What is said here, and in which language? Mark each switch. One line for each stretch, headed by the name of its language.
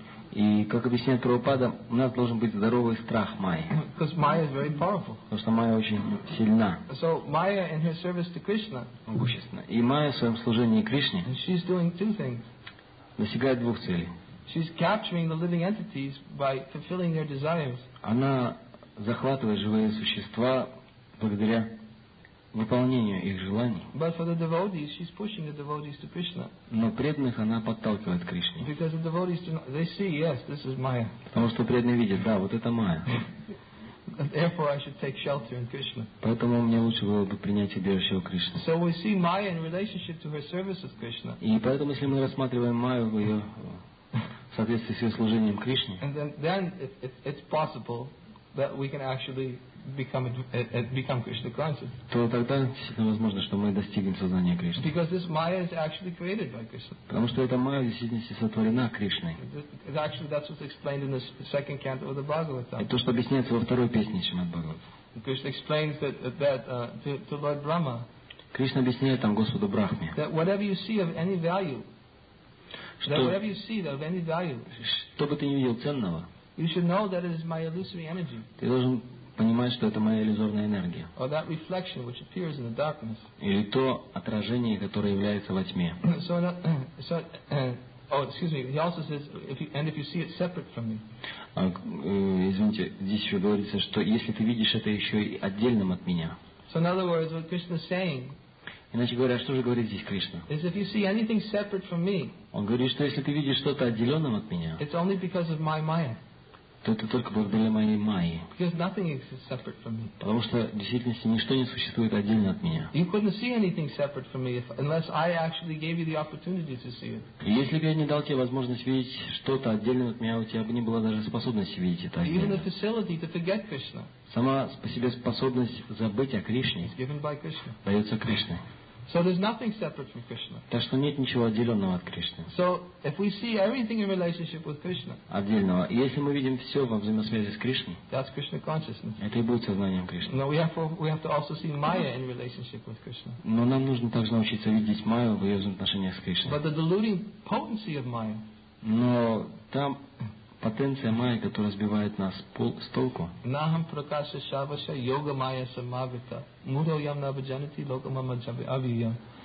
Russian: И как объясняет Прабхупада, у нас должен быть здоровый страх Майи. Потому что Майя очень сильна.
English: So, Maya in her service to Krishna,
Russian: могущественна. И Майя в своем служении Кришне
English: she's doing two things.
Russian: Достигает двух целей.
English: She's capturing the living entities by fulfilling their desires.
Russian: Она захватывает живые существа благодаря выполнению их желаний.
English: But for the devotees, she's pushing the devotees to Krishna.
Russian: Но преданных она подталкивает к Кришне.
English: Because the devotees, they see, yes, this is Maya.
Russian: Потому что преданные видят, да, вот это Майя.
English: Therefore, I should take shelter in Krishna.
Russian: Поэтому мне лучше было бы принять убежище у Кришны.
English: So we see Maya in relationship to her service with Krishna.
Russian: И поэтому, если мы рассматриваем Майю в ее в соответствии с ее служением Кришне.
English: And then it's possible that we can actually become Krishna conscious.
Russian: То тогда действительно возможно, что мы достигнем сознания Кришны.
English: Because this Maya is actually created by Krishna.
Russian: Потому что эта Майя в действительности сотворена Кришной.
English: It's actually that's what's explained in the second canto of the Bhagavatam.
Russian: Это то, что объясняется во второй песне Шримад Бхагаватам.
English: Krishna explains that to Lord Brahma.
Russian: Кришна объясняет там Господу Брахме.
English: That whatever you see of any value. That whatever you see of any value,
Russian: что бы ты ни видел ценного,
English: you should know that it is my illusory energy.
Russian: Ты должен понимать, что это моя иллюзорная энергия.
English: Or that reflection which appears in the darkness.
Russian: Или то отражение, которое является во тьме.
English: He also says, if you see it separate from me.
Russian: Извините, здесь еще говорится, что если ты видишь это еще и отдельным от меня.
English: So in other words, what Krishna is saying.
Russian: Иначе говоря, что же говорит здесь Кришна?
English: Is if you see anything separate from me.
Russian: Он говорит, что если ты видишь что-то отделенным от меня,
English: it's only because of my Maya.
Russian: То это только благодаря моей Майе.
English: Because nothing exists separate from me.
Russian: Потому что в действительности ничто не существует отдельно от меня.
English: You couldn't see anything separate from me unless I actually gave you the opportunity to see it.
Russian: И если бы я не дал тебе возможность видеть что-то отдельное от меня, у тебя бы не было даже способности видеть это отдельно.
English: Even the facility to forget Krishna.
Russian: Сама по себе способность забыть о Кришне
English: given by Krishna.
Russian: Дается Кришне.
English: So there's nothing separate from Krishna.
Russian: Так что нет ничего отделенного от Кришны.
English: So if we see everything in relationship with Krishna.
Russian: Отдельного. И если мы видим все во взаимосвязи с Кришной.
English: That's Krishna consciousness.
Russian: Это и будет сознанием Кришны.
English: Now we have to also see Maya in relationship with Krishna.
Russian: Но нам нужно также научиться видеть Майю в ее отношениях с Кришной.
English: But the deluding potency of Maya.
Russian: Но там потенция Майи, которая сбивает нас с толку.
Sanskrit: Нахам пракаша шаваша йога майя самавита мудойам набаджанити локамама джаби авия.